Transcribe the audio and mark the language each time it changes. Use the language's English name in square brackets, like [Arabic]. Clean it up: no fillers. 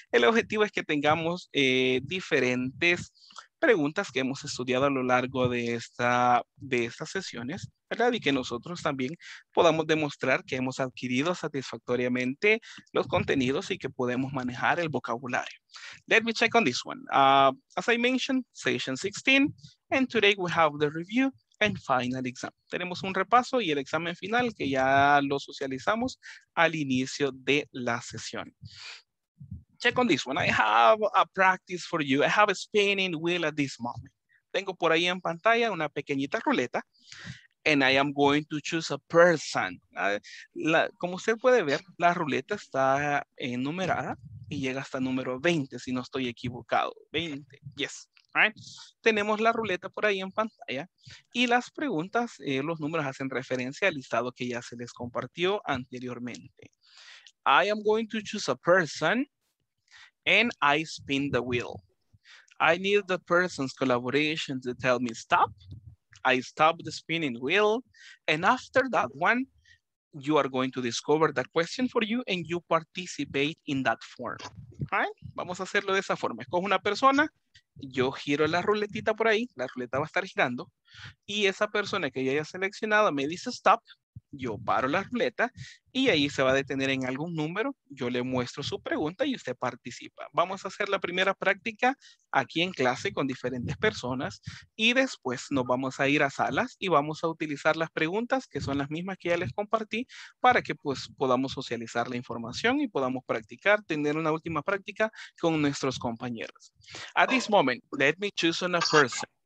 [Spanish] El objetivo es que tengamos diferentes preguntas que hemos estudiado a lo largo de estas sesiones, ¿verdad? Y que nosotros también podamos demostrar que hemos adquirido satisfactoriamente los contenidos y que podemos manejar el vocabulario. [English] Let me check on this one. As I mentioned, session 16, and today we have the review and final exam. [Spanish] Tenemos un repaso y el examen final que ya lo socializamos al inicio de la sesión. [English] Check on this one. I have a practice for you. I have a spinning wheel at this moment. [Spanish] Tengo por ahí en pantalla una pequeñita ruleta. [English] And I am going to choose a person. [Spanish] Como usted puede ver, la ruleta está enumerada y llega hasta número 20, si no estoy equivocado. [English] 20, yes. Right. [Spanish] Tenemos la ruleta por ahí en pantalla y las preguntas, los números hacen referencia al listado que ya se les compartió anteriormente. [English] I am going to choose a person. And I spin the wheel. I need the person's collaboration to tell me stop. I stop the spinning wheel. And after that one, you are going to discover the question for you and you participate in that form. Right? [Spanish] Vamos a hacerlo de esa forma. Escojo una persona, yo giro la ruletita por ahí, la ruleta va a estar girando, y esa persona que ya haya seleccionado me dice stop. Yo paro la ruleta y ahí se va a detener en algún número. Yo le muestro su pregunta y usted participa. Vamos a hacer la primera práctica aquí en clase con diferentes personas y después nos vamos a ir a salas y vamos a utilizar las preguntas que son las mismas que ya les compartí para que pues podamos socializar la información y podamos practicar, tener una última práctica con nuestros compañeros. [English] At this moment, let me choose on a person.